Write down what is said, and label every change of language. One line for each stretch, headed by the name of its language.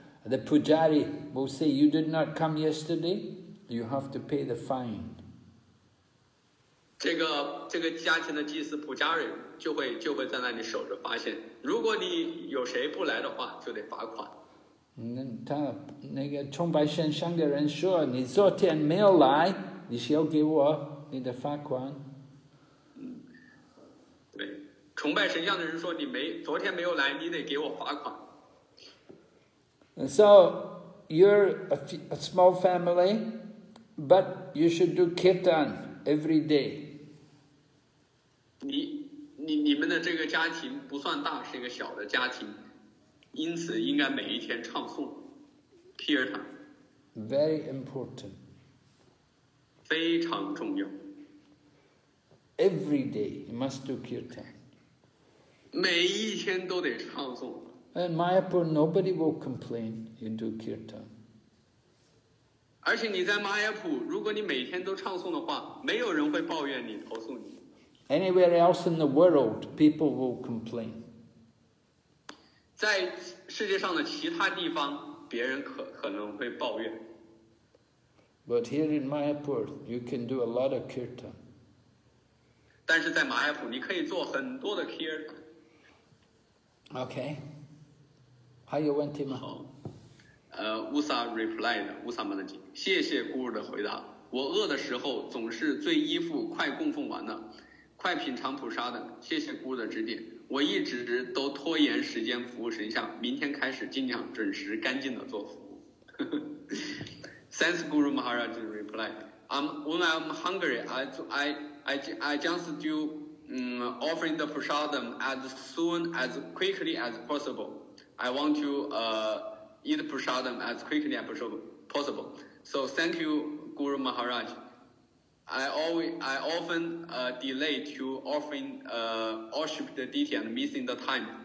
English: The pujari will say, "You did not come yesterday. You have to pay the fine."
Chinese: This 家庭的祭司普加瑞就会在那里守着发现，如果你有谁不来的话，就得罚款。那个崇拜神像的人说，你昨天没有来，你是要给我你的罚款。对，崇拜神像的人说，昨天没有来，你得给我罚款。
English: And so you're a small family, but you should do kirtan every day.
Chinese: 你们的这个家庭不算大，是一个小的家庭，因此应该每一天唱诵 ，kirtan。
English: Very important。
Chinese: 非常重要。
English: Every day you must do kirtan。
Chinese: 每一天都得唱诵。
English: In Mayapur, nobody will complain you do kirtan。
Chinese: 而且你在 Mayapur， 如果你每天都唱诵的话，没有人会抱怨你、投诉你。
English: Anywhere else in the world, people will complain.
Chinese: 在世界上的其他地方，别人可能会抱怨。
English: But here in Mayapur, you can do a lot of kirtan.
Chinese: 但是在马来普，你可以做很多的 kirtan. Okay. 还有问题吗？好。
English: Usa replied.
Chinese: Usa Manaji， 谢谢 Guru 的回答。我饿的时候总是最依附快供奉完的。快品尝普沙的，谢谢姑的指点。我一直都拖延时间服务神像，明天开始尽量准时干净的做服务。
English: Thanks, Guru Maharaj replied. When I'm hungry, I just do offering the prasadam as soon as quickly as possible. I want to eat prasadam as quickly as possible. So thank you, Guru Maharaj. I often delay to offering worship the deity and missing the time.